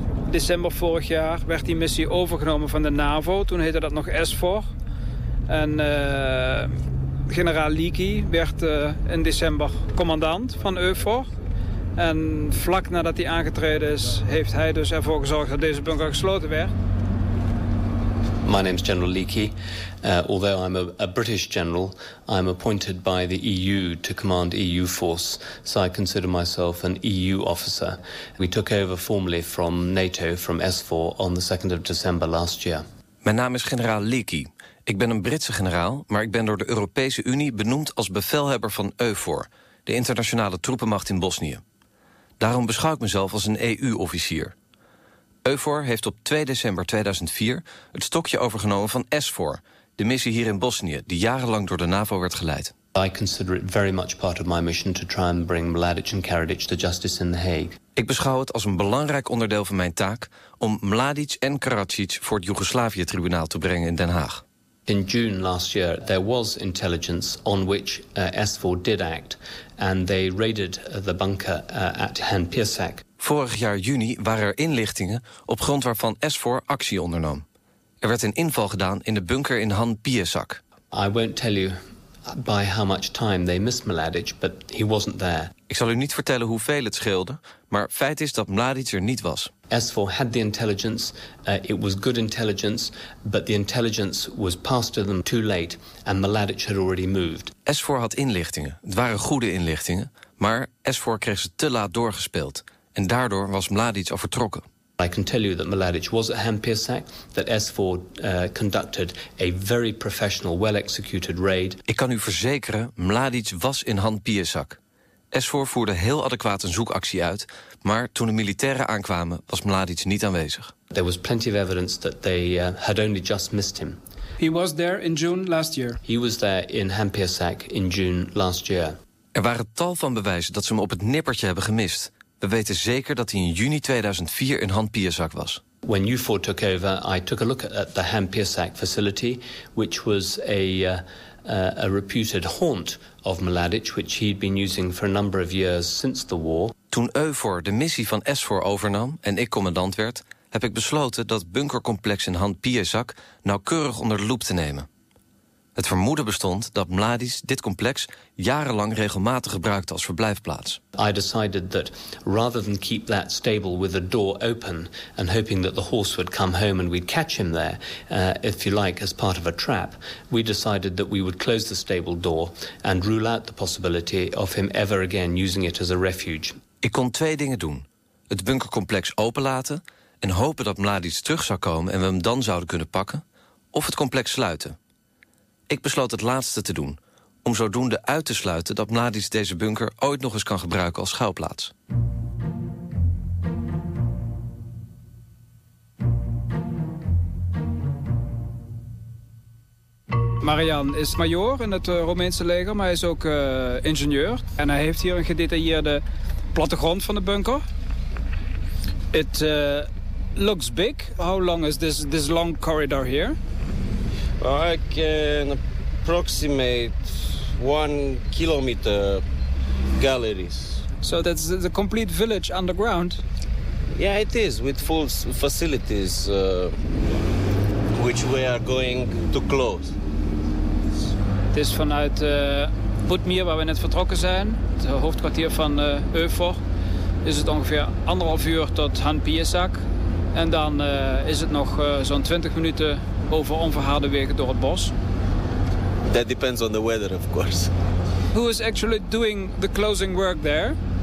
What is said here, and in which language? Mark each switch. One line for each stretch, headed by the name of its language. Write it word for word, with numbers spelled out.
Dutch: December vorig jaar werd die missie overgenomen van de NAVO. Toen heette dat nog ESFOR. En uh, generaal Liki werd uh, in december commandant van EUFOR. En vlak nadat hij aangetreden is, heeft hij dus ervoor gezorgd dat deze bunker gesloten werd.
English: My name's General Leakey. Uh, although I'm a, a British general, I'm appointed by the E U to command E U force, so I consider myself an E U officer. We took over formally from NATO, from ESFOR, on the second of December last year.
Dutch: Mijn naam is generaal Leakey. Ik ben een Britse generaal, maar ik ben door de Europese Unie benoemd als bevelhebber van EUFOR, de internationale troepenmacht in Bosnië. Daarom beschouw ik mezelf als een E U-officier. EUFOR heeft op twee december tweeduizend vier het stokje overgenomen van ESFOR, de missie hier in Bosnië, die jarenlang door de NAVO werd geleid.
English: I consider it very much part of my mission to try and bring Mladic and Karadzic to justice in The Hague.
Dutch: Ik beschouw het als een belangrijk onderdeel van mijn taak om Mladic en Karadzic voor het Joegoslavië-tribunaal te brengen in Den Haag.
English: In June last year, there was intelligence on which uh, ESFOR did act, and they raided uh, the bunker uh, at Han Piesak.
Dutch: Vorig jaar juni waren er inlichtingen op grond waarvan ESFOR actie ondernoom. Er werd een inval gedaan in de bunker in Han Piesak.
English: I won't tell you by how much time they missed Mladic, but he wasn't there.
Dutch: Ik zal u niet vertellen hoeveel het scheelde, maar feit is dat Mladic er niet was.
English: ESFOR had the intelligence, uh, it was good intelligence, but the intelligence was passed to them too late and Mladic had already moved.
Dutch: ESFOR had inlichtingen, het waren goede inlichtingen, maar ESFOR kreeg ze te laat doorgespeeld. En daardoor was Mladic al vertrokken.
English: I can tell you that Mladic was at Han Piesak, that ESFOR uh, conducted a very professional, well-executed raid.
Dutch: Ik kan u verzekeren, Mladic was in Han Piesak. ESFOR voerde heel adequaat een zoekactie uit, maar toen de militairen aankwamen was Mladic niet aanwezig.
English: There was plenty of evidence that they uh, had only just missed him. He was there in June last year. He was there in Han Piesak in June last year.
Dutch: Er waren tal van bewijzen dat ze hem op het nippertje hebben gemist. We weten zeker dat hij in juni tweeduizend vier in Han Piesak was.
English: When EUFOR took over, I took a look at the Han Piesak facility, which was a, uh, a reputed haunt of Mladic, which he'd been using for a number of years since the war.
Dutch: Toen EUFOR de missie van ESFOR overnam en ik commandant werd, heb ik besloten dat bunkercomplex in Han Piesak nauwkeurig onder de loep te nemen. Het vermoeden bestond dat Mladić dit complex jarenlang regelmatig gebruikte als verblijfplaats.
English: I decided that rather than keep that stable with the door open and hoping that the horse would come home and we'd catch him there, uh, if you like, as part of a trap, we decided that we would close the stable door and rule out the possibility of him ever again using it as a refuge.
Dutch: Ik kon twee dingen doen: het bunkercomplex openlaten en hopen dat Mladić terug zou komen en we hem dan zouden kunnen pakken, of het complex sluiten. Ik besloot het laatste te doen, om zodoende uit te sluiten dat Mladić deze bunker ooit nog eens kan gebruiken als schuilplaats. Marian is majoor in het Roemeense leger, maar hij is ook uh, ingenieur. En hij heeft hier een gedetailleerde plattegrond van de bunker.
English: It uh, looks big. How long is this this long corridor here? I can approximate one kilometer galleries. So that's the complete village underground? Yeah, it is, with full facilities, uh, which we are going to close.
Dutch: Het is vanuit uh, Budmir, waar we net vertrokken zijn, het hoofdkwartier van uh, EUFOR, is het ongeveer anderhalf uur tot Han Piesak. En dan uh, is het nog uh, zo'n twintig minuten over onverharde wegen door het bos.
English: That depends on the weather, of course. Who is actually doing the closing work there?